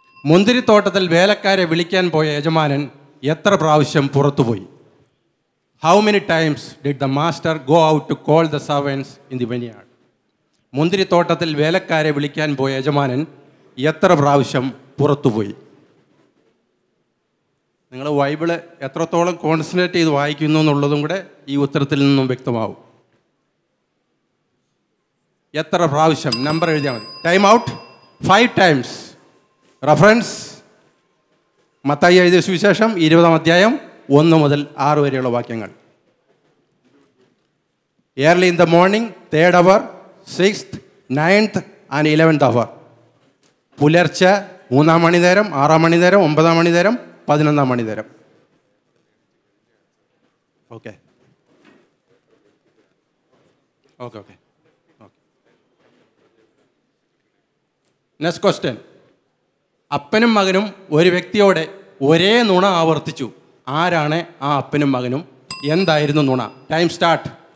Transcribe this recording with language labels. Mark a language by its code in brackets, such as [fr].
[ml] മുന്തിരിത്തോട്ടത്തിൽ വേലക്കാരെ വിളിക്കാൻ പോയ യജമാനൻ എത്ര പ്രാവശ്യം പുറത്തുപോയി? [en] How many times did the master go out to call the servants in the vineyard? [ml] മുന്തിരിത്തോട്ടത്തിൽ വേലക്കാരെ വിളിക്കാൻ പോയ യജമാനൻ എത്ര പ്രാവശ്യം പുറത്തുപോയി? നിങ്ങൾ ബൈബിള് എത്രത്തോളം കോൺസെൻട്രേറ്റ് ചെയ്ത് വായിക്കുന്നു എന്നുള്ളതും കൂടെ ഈ ഉത്തരത്തിൽ നിന്നും വ്യക്തമാവും. എത്ര പ്രാവശ്യം? നമ്പർ എഴുതിയാൽ മതി. Time out, [en] 5 times. [ml] Reference Mathai എഴുതിയ സുവിശേഷം 20:1-6 വാക്യങ്ങൾ. [en] Early in the morning, 3rd hour, 6th, 9th, and 11th hour. [ml] പുലർച്ചെ 3 മണിനേരം, 6 മണിനേരം, 9 മണിനേരം, 11 മണിനേരം. Okay okay okay okay. Next question. അപ്പനും മകനും ഒരു വ്യക്തിയോടെ ഒരേ നുണ ആവർത്തിച്ചു, ആരാണ് ആ അപ്പനും മകനും? എന്തായിരുന്നു നുണ? Time start.